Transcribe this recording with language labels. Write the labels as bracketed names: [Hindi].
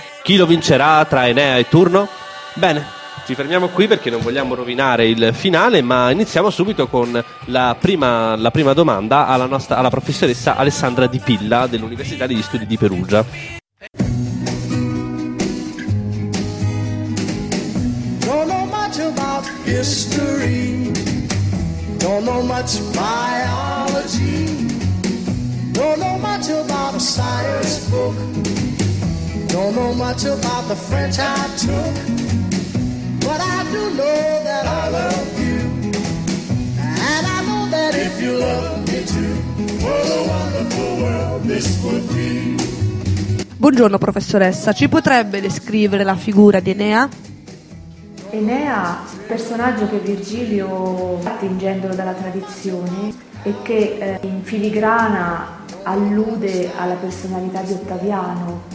[Italian] Chi lo vincerà tra Enea e Turno? Bene. Ci fermiamo qui perché non vogliamo rovinare il finale, ma iniziamo subito con la prima domanda alla professoressa Alessandra Di Pilla dell'Università degli Studi di Perugia. [English] Don't know much about history, don't know much biology, don't know much about a science book, don't know much about the French I took. But I do know that I love you, and I know that if you love me too, what a wonderful world this would be. [Italian] Buongiorno professoressa, ci potrebbe descrivere la figura di Enea? Enea, personaggio che Virgilio attingendolo dalla tradizione e che in filigrana allude alla personalità di Ottaviano.